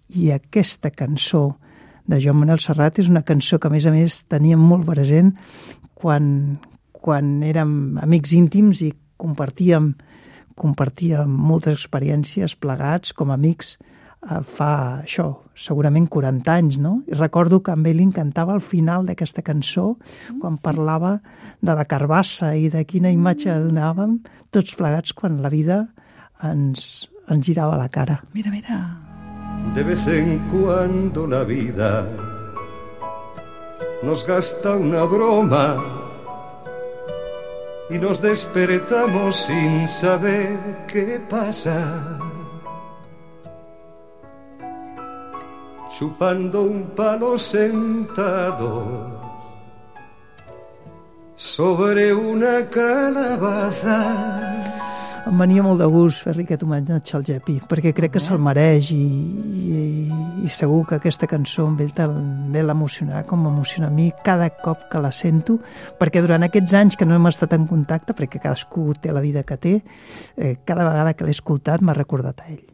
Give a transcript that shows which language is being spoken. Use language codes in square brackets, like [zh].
[ca] I aquesta cançó de Joan Manuel Serrat és una cançó que, a més, tenia molt present quan érem amics íntims i compartíem moltes experiències plegats com amics fa, això, segurament 40 anys, no? I recordo que a ell li encantava el final d'aquesta cançó, quan parlava de la carbassa i de quina imatge donàvem tots plegats quan la vida ens girava la cara. Mira, mira. [es] De vez en cuando la vida nos gasta una broma y nos despertamos sin saber qué pasa, chupando un palo sentados sobre una calabaza. [ca] Em venia molt de gust fer-li aquest homenatge al Gepi, perquè crec que se'l mereix, i segur que aquesta cançó amb ell també l'emocionarà com m'emociona a mi cada cop que la sento, perquè durant aquests anys que no hem estat en contacte, perquè cadascú té la vida que té, cada vegada que l'he escoltat m'ha recordat a ell.